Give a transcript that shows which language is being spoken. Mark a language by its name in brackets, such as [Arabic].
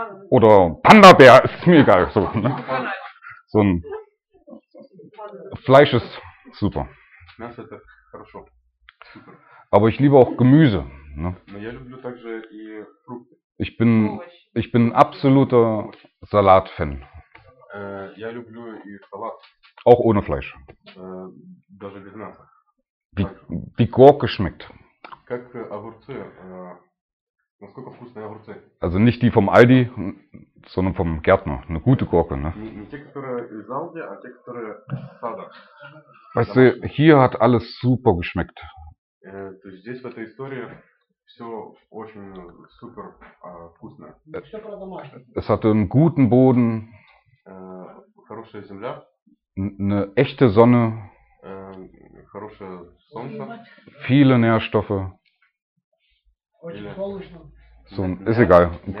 [German] Oder Panda-Bär, ist mir egal. So, ne? So ein Fleisch ist super. [Russian] Мясо это хорошо. Super. [German] Aber ich liebe auch Gemüse. Ne? [Russian] Но я люблю также и фрукты. [German] Ich bin absoluter Salat-Fan. [Russian] Я люблю и салат. [German] Auch ohne Fleisch. [Russian] Даже без мяса. [German] Wie Gurke schmeckt. [Russian] Как огурцы, насколько вкусные огурцы. [German] Also nicht die vom Aldi, sondern vom Gärtner. Eine gute Gurke, ne? [Russian] Не те, которые из Aldi, а те, которые из сада. [German] Weißt du, hier hat alles super geschmeckt. [Russian] То есть здесь в этой истории все очень супер вкусно. Все про домашнее. [German] Es hatte einen guten Boden. [Russian] Хорошая земля. [German] Eine echte Sonne. [Russian] Хорошее солнце. [German] Viele Nährstoffe. So, ist egal.